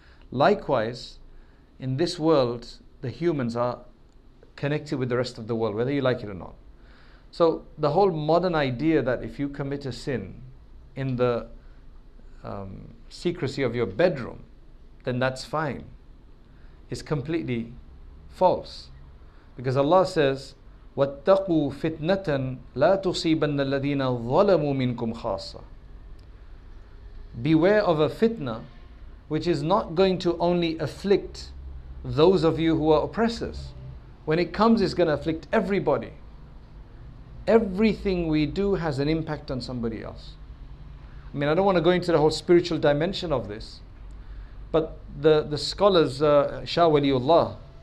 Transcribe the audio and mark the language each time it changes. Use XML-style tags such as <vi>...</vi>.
<en>Likewise, in this world, the humans are connected with the rest of the world, whether you like it or not. So the whole modern idea that if you commit a sin in the secrecy of your bedroom, then that's fine, is completely false. Because Allah says,</en> <ar>وَاتَّقُوا فِتْنَةً لَا تُصِيبَنَّ الَّذِينَ ظَلَمُوا مِنْكُمْ خَاصًا.</ar> <en>Beware of a fitna which is not going to only afflict those of you who are oppressors. When it comes, it's going to afflict everybody. Everything we do has an impact on somebody else. I mean, I don't want to go into the whole spiritual dimension of this, but the scholars, Shah Waliullah,</en>